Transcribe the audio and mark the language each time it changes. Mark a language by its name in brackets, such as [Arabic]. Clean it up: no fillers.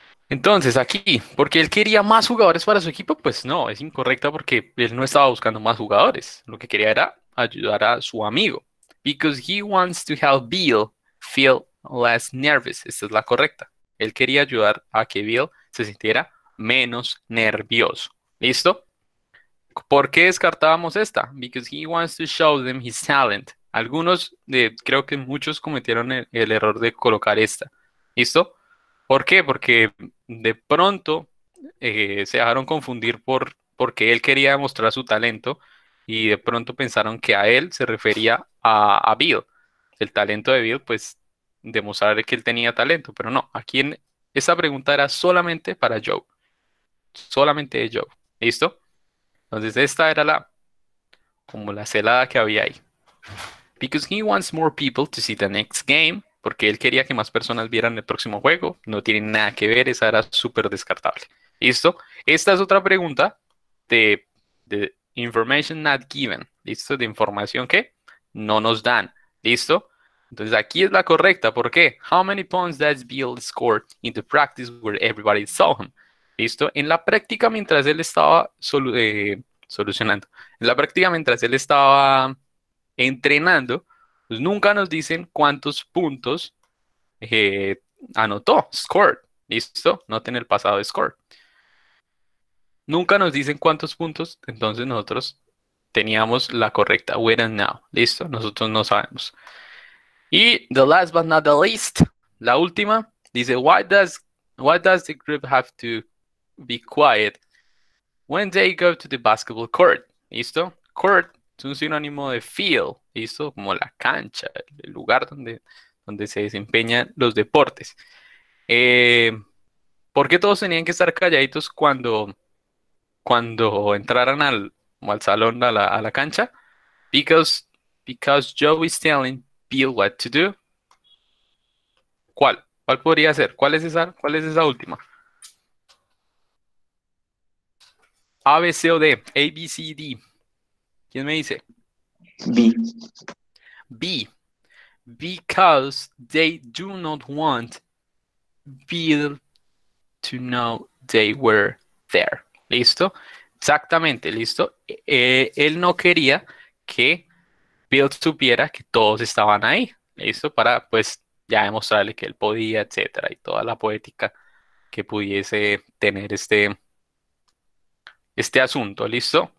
[Spanish] Entonces, aquí, porque él quería más jugadores para su equipo, pues no, es incorrecta porque él no estaba buscando más jugadores. Lo que quería era ayudar a su amigo. [English] Because he wants to help Bill feel less nervous. [Spanish] Esta es la correcta. Él quería ayudar a que Bill se sintiera menos nervioso. ¿Listo? ¿Por qué descartábamos esta? [English] Because he wants to show them his talent. [Spanish] Algunos, creo que muchos cometieron el error de colocar esta. ¿Listo? ¿Por qué? Porque de pronto se dejaron confundir porque él quería demostrar su talento y de pronto pensaron que a él se refería a Bill. El talento de Bill, pues, demostrarle que él tenía talento. Pero no, aquí esa pregunta era solamente para Joe. Solamente de Joe. ¿Listo? Entonces esta era la celada que había ahí. [English] Because he wants more people to see the next game. [Spanish] Porque él quería que más personas vieran el próximo juego. No tiene nada que ver. Esa era súper descartable. ¿Listo? Esta es otra pregunta de [English] information not given. [Spanish] ¿Listo? De información que no nos dan. ¿Listo? Entonces aquí es la correcta. ¿Por qué? [English] How many points does Bill score in the practice where everybody saw him? [Spanish] ¿Listo? En la práctica mientras él estaba solucionando. En la práctica mientras él estaba entrenando. Pues nunca nos dicen cuántos puntos anotó, scored, ¿listo? No tiene el pasado de scored. Nunca nos dicen cuántos puntos, entonces nosotros teníamos la correcta, [English] when and now, [Spanish] ¿listo? Nosotros no sabemos. [English] Y the last but not the least, [Spanish] la última, dice, [English] why does the group have to be quiet when they go to the basketball court, ¿listo? [Spanish] Court. Es un sinónimo de field, ¿listo? Como la cancha, el lugar donde se desempeñan los deportes. ¿Por qué todos tenían que estar calladitos cuando entraran al salón, a la cancha? [English] Because Because Joe is telling Bill what to do. [Spanish] ¿Cuál? ¿Cuál podría ser? Cuál es esa última? A, B, C, O, D. A, B, C, D. ¿Quién me dice? B. B. [English] Because they do not want Bill to know they were there. [Spanish] ¿Listo? Exactamente, ¿listo? Él no quería que Bill supiera que todos estaban ahí. ¿Listo? Para, pues, ya demostrarle que él podía, etcétera, y toda la poética que pudiese tener este asunto, ¿listo?